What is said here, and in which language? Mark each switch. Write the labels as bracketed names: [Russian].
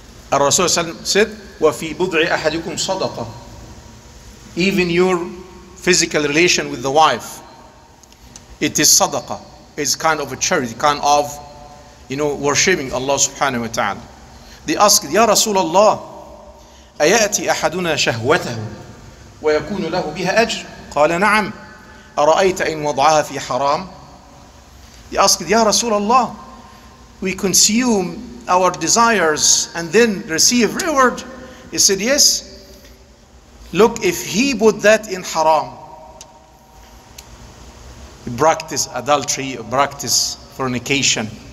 [English] Rasulullah said, [Arabic] وَفِي بُضْعِ أَحَدِكُمْ صَدَقًا. [English] Even your physical relation with the wife, it is sadaqah, it's kind of a charity, kind of, you know, worshipping Allah subhanahu wa ta'ala. They ask, [Arabic] Ya Rasulullah, أَيَأْتِ أَحَدُنَا شَهْوَتَهُ وَيَكُونُ لَهُ بِهَا أَجْرٍ قَالَ نَعَمْ أَرَأَيْتَ إِنْ وَضْعَهَا فِي حَرَامٍ. [English] They ask, Ya Rasulullah, we consume our desires and then receive reward. He said, yes. Look, if he put that in haram, he practice adultery, he practice fornication.